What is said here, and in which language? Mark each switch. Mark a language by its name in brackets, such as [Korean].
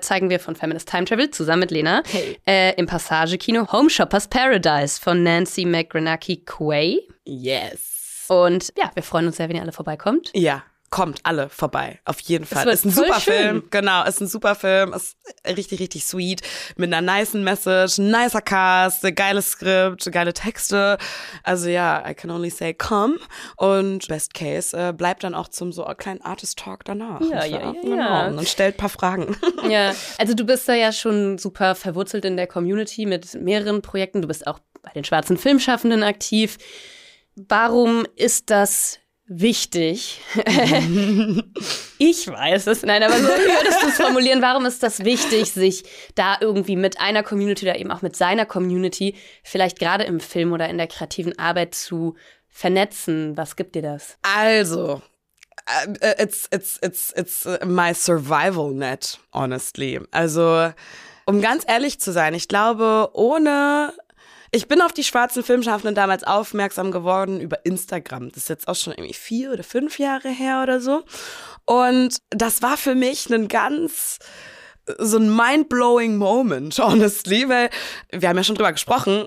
[German] zeigen wir von Feminist Time Travel zusammen mit Lena im Passage-Kino Home Shopper's Paradise von Nancy McGranachy Quay. [English] Yes. [German] Und ja, wir freuen uns sehr, wenn ihr alle vorbeikommt. Ja, kommt alle vorbei, auf jeden Fall. Ist ein super Film. Genau, ist ein super Film. Ist richtig, richtig sweet. Mit einer nicen Message, nicer Cast, geiles Skript, geile Texte. Also ja, [English] I can only say come. [German] Und best case, bleibt dann auch zum so kleinen Artist-Talk danach. Ja. Und stellt ein paar Fragen. Ja, also du bist da ja schon super verwurzelt in der Community mit mehreren Projekten. Du bist auch bei den schwarzen Filmschaffenden aktiv. Warum ist das wichtig? Ich weiß es. Nein, aber so würdest du es formulieren. Warum ist das wichtig, sich da irgendwie mit einer Community oder eben auch mit seiner Community vielleicht gerade im Film oder in der kreativen Arbeit zu vernetzen? Was gibt dir das? [English] Also, it's my survival net, honestly. [German] Also, um ganz ehrlich zu sein, ich glaube, ich bin auf die schwarzen Filmschaffenden damals aufmerksam geworden über Instagram. Das ist jetzt auch schon irgendwie 4 oder 5 Jahre her oder so. Und das war für mich ein ganz, so ein mind-blowing Moment, honestly, weil wir haben ja schon drüber gesprochen.